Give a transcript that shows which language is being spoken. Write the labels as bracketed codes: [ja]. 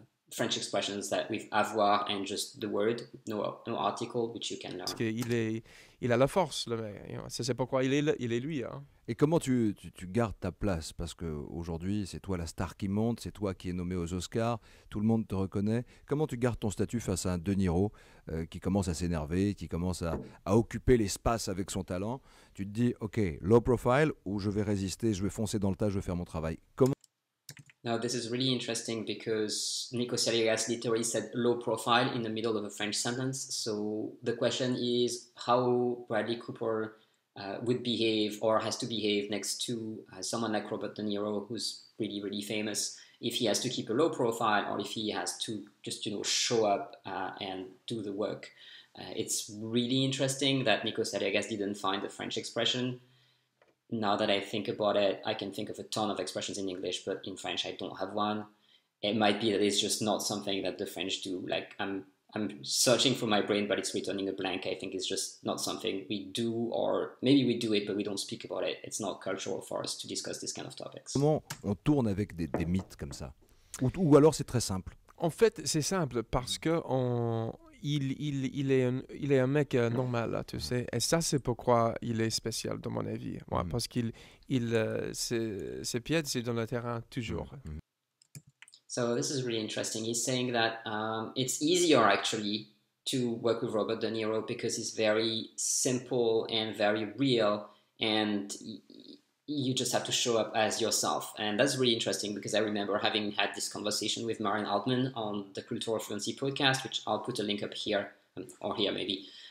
[en] French expressions that with avoir and just the word, no article, which you can learn. [fr] Parce qu'il est, il a la force, le mec. C'est pourquoi il est lui. Hein. Et comment tu gardes ta place? Parce qu'aujourd'hui, c'est toi la star qui monte, c'est toi qui es nommé aux Oscars, tout le monde te reconnaît. Comment tu gardes ton statut face à un De Niro qui commence à s'énerver, qui commence à occuper l'espace avec son talent? Tu te dis, OK, [en] low profile, [fr] ou je vais résister, je vais foncer dans le tas, je vais faire mon travail. Comment? [en] Now, this is really interesting because Nico Saliagas literally said low profile in the middle of a French sentence. So the question is how Bradley Cooper would behave or has to behave next to someone like Robert De Niro, who's really, really famous, if he has to keep a low profile or if he has to just, you know, show up and do the work. It's really interesting that Nico Saliagas didn't find the French expression. Now that I think about it, I can think of a ton of expressions in English, but in French, I don't have one. It might be that it's just not something that the French do. Like, I'm searching for my brain, but it's returning a blank. I think it's just not something we do, or maybe we do it, but we don't speak about it. It's not cultural for us to discuss this kind of topics. [fr] Comment on tourne avec des mythes comme ça? Ou alors c'est très simple? En fait, c'est simple parce que il est un mec normal, tu sais, et ça c'est pourquoi il est spécial dans mon avis, ouais, parce qu'il ses pieds c'est dans le terrain toujours. [en] So this is really interesting. He's saying that it's easier actually to work with Robert De Niro because he's very simple and very real, and you just have to show up as yourself. And that's really interesting because I remember having had this conversation with Marin Altman on the Culture Fluency podcast, which I'll put a link up here, or here maybe.